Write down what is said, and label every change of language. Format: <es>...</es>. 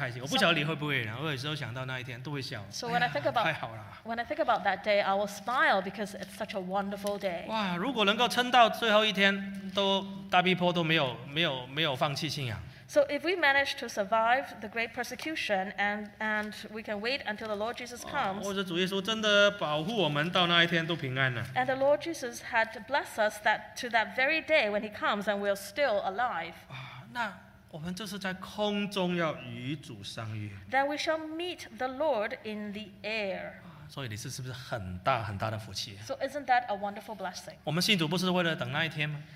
<zh>所以有时候想到那一天都会笑，都会开心。我不晓得你会不会，然后有时候想到那一天都会笑。</zh> <en>So when I think about</en> <zh>太好了，</zh> <en>when I think about that day, I will smile because it's such a wonderful day.</en> <zh>哇，如果能够撑到最后一天，都大逼迫都没有放弃信仰。</zh> <en>So if we manage to survive the great persecution and we can wait until the Lord Jesus comes,</en> <zh>或者主耶稣真的保护我们到那一天都平安了,</zh> <en>and the Lord Jesus had to bless us that to that very day when he comes and we're still alive,</en> <zh>那我们就是在空中要与主相遇,</zh> <en>then we shall meet the Lord in the air.</en> <zh>所以你是不是很大很大的福气?</zh> <en>So isn't that a wonderful blessing?</en> <zh>我们信主不是为了等那一天吗?</zh>